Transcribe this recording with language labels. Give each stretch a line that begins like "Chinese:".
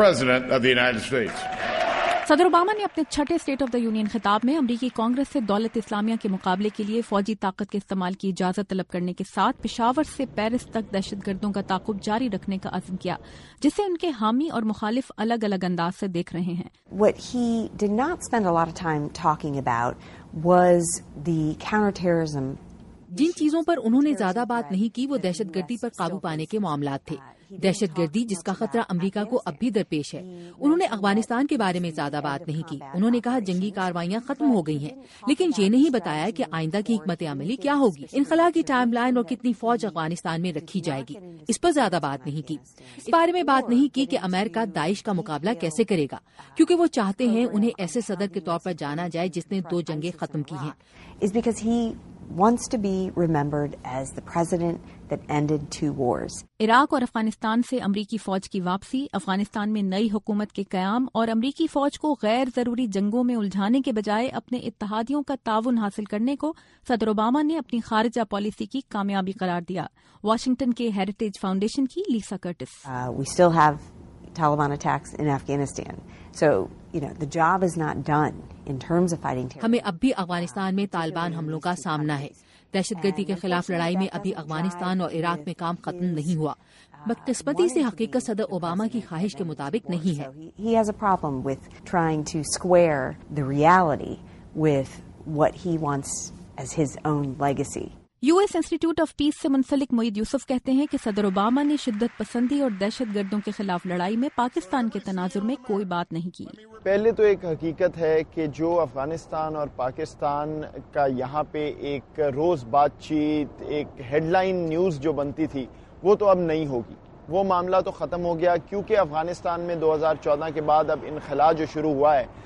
Urdu: صدر اوباما نے اپنے چھٹے اسٹیٹ آف دا یونین خطاب میں امریکی کانگریس سے دولت اسلامیہ کے مقابلے کے لیے فوجی طاقت کے استعمال کی اجازت طلب کرنے کے ساتھ پشاور سے پیرس تک دہشت گردوں کا تعاقب جاری رکھنے کا عزم کیا، جسے ان کے حامی اور مخالف الگ الگ انداز سے دیکھ رہے ہیں۔
English: What he did not spend a lot of time talking about was the counter-terrorism.
Urdu: جن چیزوں پر انہوں نے زیادہ بات نہیں کی وہ دہشت گردی پر قابو پانے کے معاملات تھے، دہشت گردی جس کا خطرہ امریکہ کو اب بھی درپیش ہے۔ انہوں نے افغانستان کے بارے میں زیادہ بات نہیں کی، انہوں نے کہا جنگی کاروائیاں ختم ہو گئی ہیں، لیکن یہ نہیں بتایا کہ آئندہ کی حکمت عملی کیا ہوگی، انخلا کی ٹائم لائن اور کتنی فوج افغانستان میں رکھی جائے گی، اس پر زیادہ بات نہیں کی۔ اس بارے میں بات نہیں کی کہ امریکہ داعش کا مقابلہ کیسے کرے گا، کیونکہ وہ چاہتے ہیں انہیں ایسے صدر کے طور پر جانا جائے جس نے دو جنگیں ختم کی ہیں۔
English: wants to be remembered as the president that ended two wars.
Urdu: Iraq اور افغانستان سے امریکی فوج کی واپسی، افغانستان میں نئی حکومت کے قیام اور امریکی فوج کو غیر ضروری جنگوں میں الجھانے کے بجائے اپنے اتحادیوں کا تعاون حاصل کرنے کو صدر اوباما نے اپنی خارجہ پالیسی کی کامیابی قرار دیا۔ واشنگٹن کے ہیریٹیج فاؤنڈیشن کی لیسا Curtis.
English: We still have Taliban attacks in Afghanistan. So, you know, the job is not done.
Urdu: ہمیں اب بھی افغانستان میں طالبان حملوں کا سامنا ہے، دہشت گردی کے خلاف لڑائی میں ابھی افغانستان اور عراق میں کام ختم نہیں ہوا۔ بدقسمتی سے حقیقت صدر اوباما کی خواہش کے مطابق نہیں ہے۔
English: He has a problem with trying to square the reality with what he wants as his own legacy.
Urdu: U S institute of peace سے منسلک معید یوسف کہتے ہیں کہ صدر اوباما نے شدت پسندی اور دہشت گردوں کے خلاف لڑائی میں پاکستان کے تناظر میں کوئی بات نہیں کی۔ پہلے تو ایک حقیقت ہے کہ جو افغانستان اور پاکستان کا یہاں پہ ایک روز بات چیت، ایک ہیڈ لائن نیوز جو بنتی تھی، وہ تو اب نہیں ہوگی۔ وہ معاملہ تو ختم ہو گیا، کیونکہ افغانستان میں 2014 کے بعد اب انخلا جو شروع ہوا ہے